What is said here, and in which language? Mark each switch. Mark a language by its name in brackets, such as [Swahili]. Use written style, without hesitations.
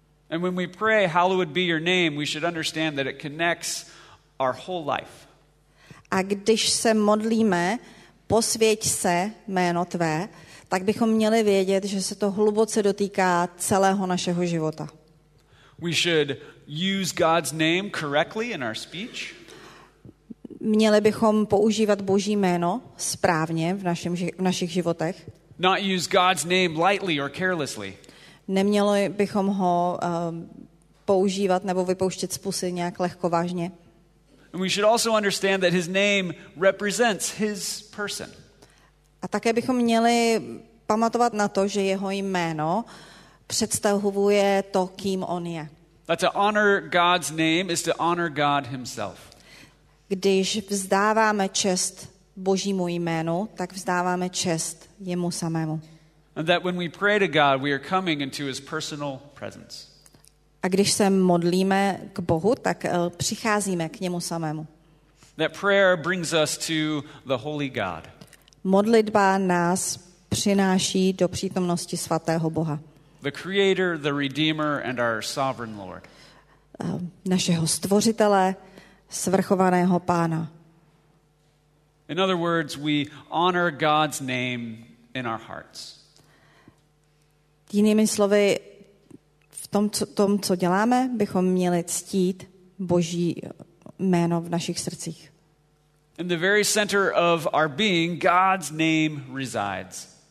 [English] And when we pray, hallowed be your name, we should understand that it connects our whole life. [Czech] A když se modlíme, posvěť se jméno tvé, tak bychom měli vědět, že se to hluboce dotýká celého našeho života. [English] We should use God's name correctly in our speech. [Czech] Měli bychom používat Boží jméno správně v našich životech. [English] Not use God's name lightly or carelessly. [Czech] Neměli bychom ho používat nebo vypouštět z pusy nějak lehko vážně. [English] And we should also understand that his name represents his person. [Czech] A také bychom měli pamatovat na to, že jeho jméno představuje to, kým on je. [English] But to honor God's name is to honor God himself. [Czech] Když vzdáváme čest Božímu jménu, tak vzdáváme čest jemu samému. [English] And that when we pray to God, we are coming into his personal presence. [Czech] A když se modlíme k Bohu, tak přicházíme k němu samému. [English] That prayer brings us to the holy God. [Czech] Modlitba nás přináší do přítomnosti svatého Boha. [English] The creator, the redeemer and our sovereign Lord. [Czech] Našeho stvořitele, svrchovaného pána. [English] In other words, we honor God's name in our hearts. [Czech] Jinými slovy, v tom, co děláme, bychom měli ctít Boží jméno v našich srdcích. [English] In the very center of our being, God's name resides.